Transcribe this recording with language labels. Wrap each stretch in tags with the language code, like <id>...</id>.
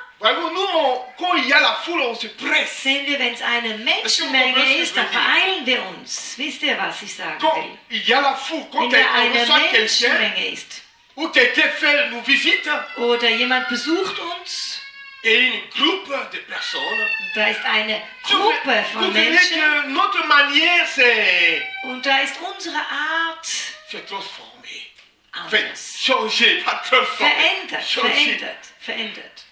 <fr>Voyez-vous, nous, quand il y a la foule, on se presse.</fr> <de>Sehen wir, wenn es eine Menschenmenge ist, dann beeilen wir uns. Wisst ihr, was ich sagen</de> <fr>quand</fr> <de>will?</de> <fr>Quand il y a la foule, quand</fr> <de>eine Menschenmenge ist,</de> <fr>ou quelqu'un fait nous visite,</fr> <de>oder jemand besucht uns,</de> <fr>et une groupe de personnes.</fr> <de>Da ist eine Gruppe von Menschen.</de> <fr>Notre manière, c'est</fr> <de>und da ist unsere Art verändert.</de>